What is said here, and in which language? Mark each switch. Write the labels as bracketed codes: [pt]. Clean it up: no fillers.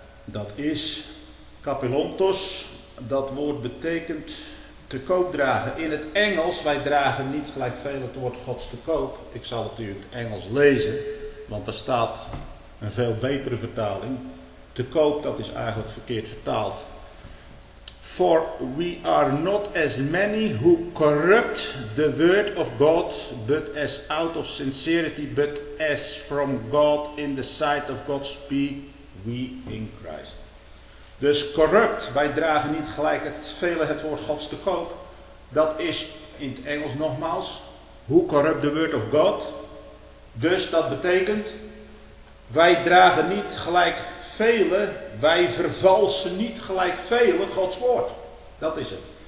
[nl] Dat is kapelontos. Dat woord betekent te koop dragen. In het Engels, wij dragen niet gelijk veel het woord Gods te koop. Ik zal het u in het Engels lezen. Want er staat een veel betere vertaling. Te koop, dat is eigenlijk verkeerd vertaald. [en] For we are not as many who corrupt the word of God, but as out of sincerity, but as from God in the sight of God speak we in Christ. [nl] Dus corrupt, wij dragen niet gelijk het vele het woord Gods te koop. Dat is in het Engels nogmaals, [en] who corrupt the word of God. [nl] Dus dat betekent, wij dragen niet gelijk vele, wij vervalsen niet gelijk vele Gods woord. Dat is het.